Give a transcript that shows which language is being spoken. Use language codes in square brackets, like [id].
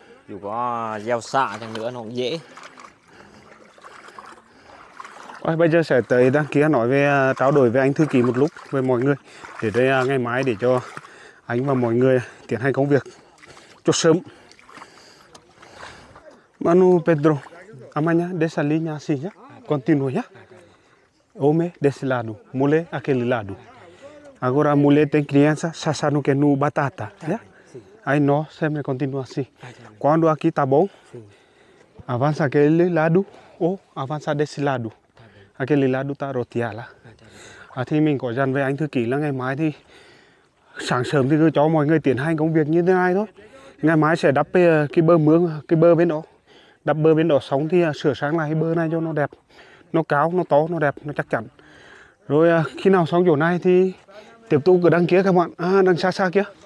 [vi] dù có gieo xạ chẳng nữa nó cũng dễ. Ôi, bây giờ sẽ tới đăng ký nói về trao đổi với anh thư ký một lúc với mọi người để đây ngày mai để cho anh và mọi người tiến hành công việc cho sớm. [pt] Manu Pedro, amanhã dessa linha assim já, continua já. Homem desse lado, mulher aquele lado. Agora a mulher tem criança, sasa no que no batata, já. Aí nós sempre continua assim. Quando aqui tá bom, avança aquele lado ou avança desse lado. Aquele lado tá roteado. [vi] Thì mình có dặn với anh thư ký là ngày mai thì sáng sớm thì cứ cho mọi người tiến hành công việc như thế này thôi. Ngày mai sẽ đắp cái bờ mương, cái bờ bên đó. Đắp bờ bên đó xong thì sửa sang lại cái bờ này cho nó đẹp. Nó cao, nó to, nó đẹp, nó chắc chắn. Rồi khi nào xong chỗ này thì tiếp tục ở đằng kia các bạn. À, đằng xa xa kia.